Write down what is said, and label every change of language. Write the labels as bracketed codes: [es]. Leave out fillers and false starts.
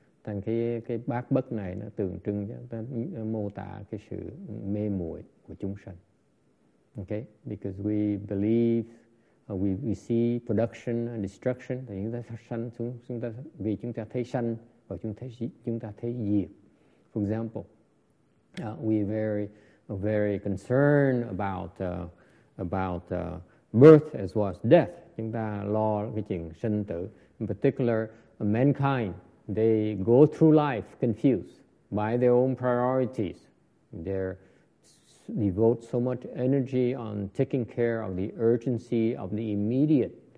[vi] Thành cái bát bất này nó tượng trưng cho nó mô tả cái sự mê muội của chúng sanh. [en] Okay, because we believe we see production and destruction. [vi] Thì chúng ta sanh chúng ta vì chúng ta thấy sanh. Or chúng ta thấy diệt. [en] For example, we very concerned about birth as well as death. [vi] Chúng ta lo cái chuyện sinh tử. [en] In particular, mankind, they go through life confused by their own priorities. They're devote so much energy on taking care of the urgency of the immediate.